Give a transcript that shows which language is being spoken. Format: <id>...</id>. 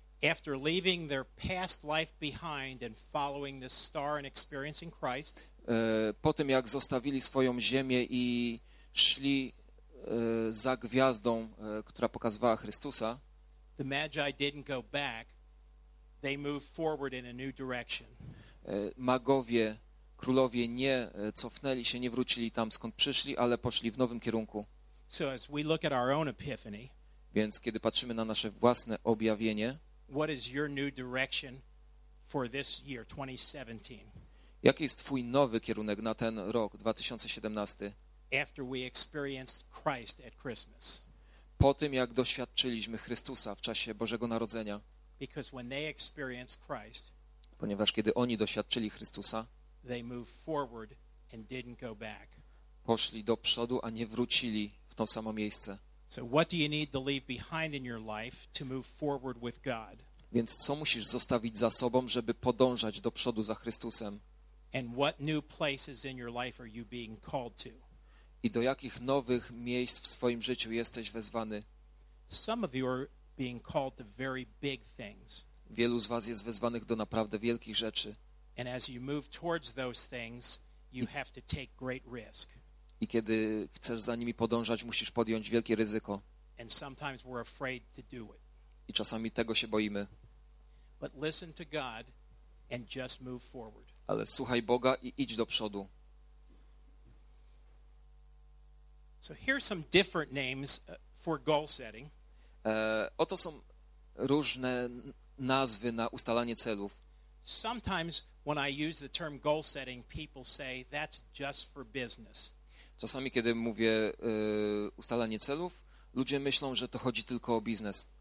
<en>After leaving their past life behind and following this star and experiencing Christ,</en> <pl>po tym jak zostawili swoją ziemię i szli za gwiazdą, która pokazywała Chrystusa,</pl> <en>the Magi didn't go back. They move forward in a new direction.</en> <pl>Magowie, królowie nie cofnęli się, nie wrócili tam, skąd przyszli, ale poszli w nowym kierunku.</pl> <en>So as we look at our own epiphany,</en> <pl>więc kiedy patrzymy na nasze własne objawienie,</pl> <en>what is your new direction for this year, 2017?</en> <pl>Jaki jest twój nowy kierunek na ten rok 2017?</pl> <en>After we experienced Christ at Christmas.</en> <pl>Po tym jak doświadczyliśmy Chrystusa w czasie Bożego Narodzenia.</pl> <en>Because when they experience Christ,</en> <pl>ponieważ kiedy oni doświadczyli Chrystusa,</pl> <en>they move forward and didn't go back.</en> <pl>Poszli do przodu, a nie wrócili w to samo miejsce.</pl> <en>So what do you need to leave behind in your life to move forward with God?</en> <pl>Więc co musisz zostawić za sobą, żeby podążać do przodu za Chrystusem?</pl> <en>And what new places in your life are you being called to?</en> <pl>I do jakich nowych miejsc w swoim życiu jesteś wezwany?</pl> <en>Some of you are being called to very big things.</en> <pl>Wielu z was jest wezwanych do naprawdę wielkich rzeczy.</pl> <en>And as you move towards those things, you have to take great risk.</en> <pl>I kiedy chcesz za nimi podążać, musisz podjąć wielkie ryzyko.</pl> <en>And sometimes we're afraid to do it.</en> <pl>I czasami tego się boimy.</pl> <en>But listen to God and just move forward.</en> <pl>Ale słuchaj Boga i idź do przodu.</pl> <en>So here's some different names for goal setting.</en> <pl>Oto są różne nazwy na ustalanie celów.</pl> <en>Sometimes when I use the term goal setting, people say that's just for business.</en> <pl>Czasami kiedy mówię ustalanie celów, ludzie myślą, że to chodzi tylko o biznes.</pl>